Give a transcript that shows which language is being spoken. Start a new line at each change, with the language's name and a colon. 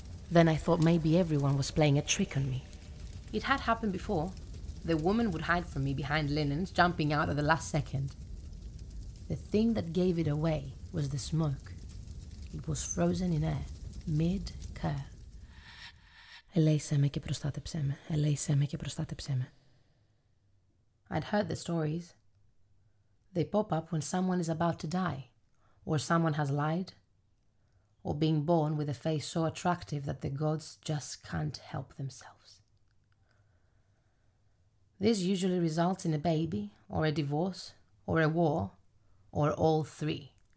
English: Then I thought maybe everyone was playing a trick on me. It had happened before. The woman would hide from me behind linens, jumping out at the last second. The thing that gave it away was the smoke. It was frozen in air, mid-curl.
Greek: Ελέησέ με και προστάτεψέ με. Ελέησέ με και προστάτεψέ με.
English: I'd heard the stories. They pop up when someone is about to die, or someone has lied, or being born with a face so attractive that the gods just can't help themselves. This usually results in a baby, or a divorce, or a war, or all three.